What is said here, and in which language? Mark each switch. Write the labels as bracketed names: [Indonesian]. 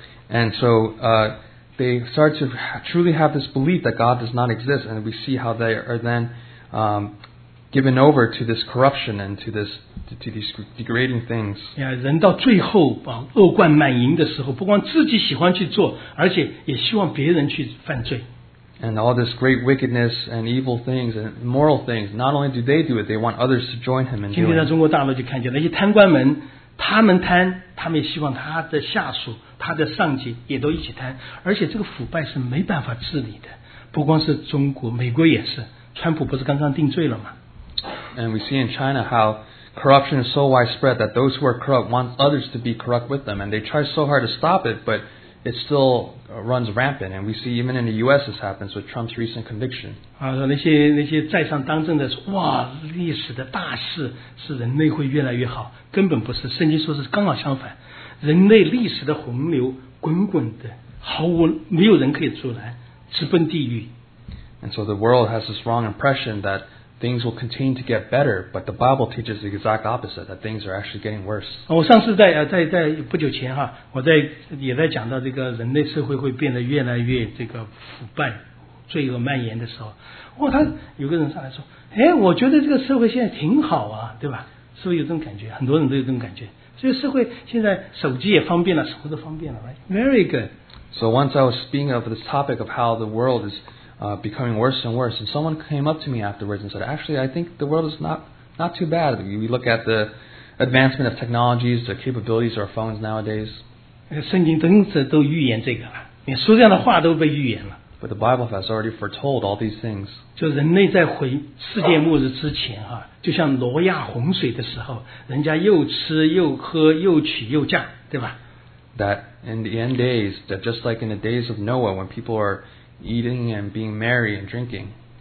[English] And so, they start to truly have this belief that God does not exist, and we see how they are then, given over to this corruption and to this. To these degrading things. Yeah, [Chinese] 人到最后啊，恶贯满盈的时候，不光自己喜欢去做，而且也希望别人去犯罪。 [English] And all this great wickedness and evil things and immoral things, not only do they do it, they want others to join him in doing. [Chinese] 今天在中国大陆就看见那些贪官们，他们贪，他们也希望他的下属、他的上级也都一起贪，而且这个腐败是没办法治理的。不光是中国，美国也是。川普不是刚刚定罪了吗？ [English] And we see in China how. Corruption is so widespread that those who are corrupt want others to be corrupt with them, and they try so hard to stop it, but it still runs rampant. And we see even in the U.S. this happens with Trump's recent conviction. [Chinese] 啊，那些在上当政的说，哇，历史的大事是人类会越来越好，根本不是。圣经说是刚好相反，人类历史的洪流滚滚的，毫无没有人可以阻拦，直奔地狱。 [English] And so the world has this wrong impression that. Things will continue to get better, but the Bible teaches the exact opposite, that things are actually getting worse. [Chinese] 我上次在不久前哈，我在也在讲到这个人类社会会变得越来越这个腐败，罪恶蔓延的时候，哇，他有个人上来说，哎，我觉得这个社会现在挺好啊，对吧？是不是有这种感觉？很多人都有这种感觉。所以社会现在手机也方便了，什么都方便了 ， [English] right? Very good. So once I was speaking of this topic of how the world is. Becoming worse and worse, and someone came up to me afterwards and said, "Actually, I think the world is not too bad. We look at the advancement of technologies, the capabilities of our phones nowadays." [Chinese] 圣经真是都预言这个了，你说这样的话都被预言了。 [English] But the Bible has already foretold all these things. [Chinese] 就人类在毁世界末日之前哈、啊，就像挪亚洪水的时候，人家又吃又喝又娶又嫁，对吧？ [English] that in the end days, that just like in the days of Noah, when people are eating and being merry and drinking.